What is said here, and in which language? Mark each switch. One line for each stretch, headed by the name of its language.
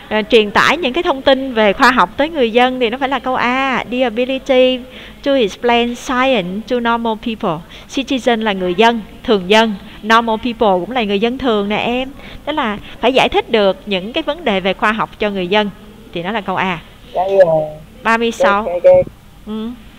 Vietnamese: Truyền tải những cái thông tin về khoa học tới người dân thì nó phải là câu A.
English: The ability to explain science to normal people.
Vietnamese: Citizen là người dân, thường dân. Normal people cũng là người dân thường nè em. Đó là phải giải thích được những cái vấn đề về khoa học cho người dân thì nó là câu A. 36.